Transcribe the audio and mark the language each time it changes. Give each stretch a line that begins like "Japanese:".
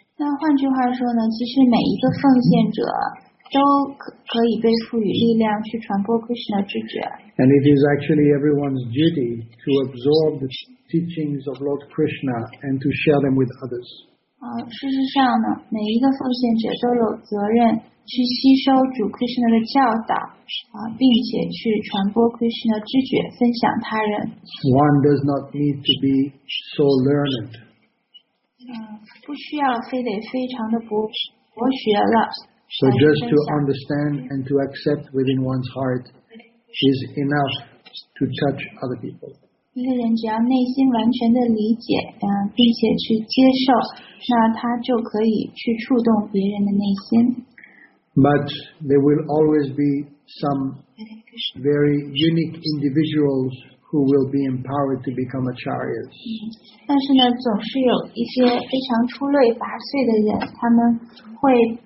Chinese: 那换句话说呢，其实每一个奉献者。都可以被赋予力量去传播 Krishna 知觉。
English: And it is actually everyone's duty to absorb the teachings of Lord Krishna and to share them with others.
Chinese: 事实上呢，每一个奉献者都有责任去吸收主 Krishna 的教导并且去传播 Krishna 知觉，分享他人。
English: One does not need to be so learned.
Chinese: 不需要非得非常的博学了。
English: So just to understand and to accept within one's heart is enough to touch other people.
Chinese: 一个人只要内心完全的理解，并且去接受，那他就可以去触动别人的内心。
English: But there will always be some very unique individuals who will be empowered to become acharyas.
Chinese: 但是呢，总是有一些非常出类拔萃的人，他们会。